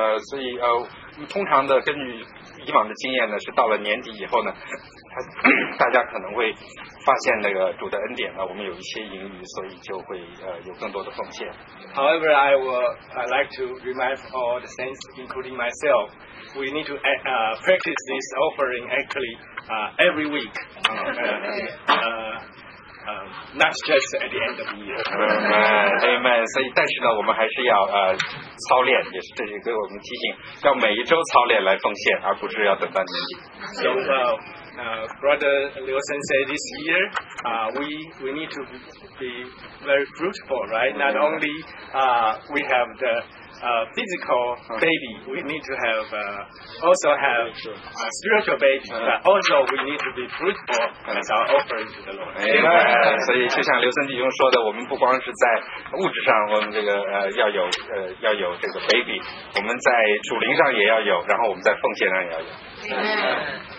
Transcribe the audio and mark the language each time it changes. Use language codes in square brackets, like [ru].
[zh] 所以通常的根据以往的经验呢，是到了年底以后呢，大家可能会发现那个主的恩典呢，我们有一些盈余，所以就会有更多的奉献。 [en] However, I would like to remind all the saints, including myself, we need to practice this offering actually every week. Not just at the end of the year. Amen. [zh] 所以，但是呢，我们还是要操练，也是这是给我们提醒，要每一周操练来奉献，而不是要等到年底。 [en] So, Brother Liu Sen said this year, we need to be very fruitful, right? Not only we have the physical baby, we need to have also have a spiritual baby, but also we need to be fruitful as our offering to the Lord. Amen. [zh] 所以就像刘森弟兄说的，我们不光是在物质上，我们这个要有这个 baby， 我们在属灵上也要有，然后我们在奉献上也要有。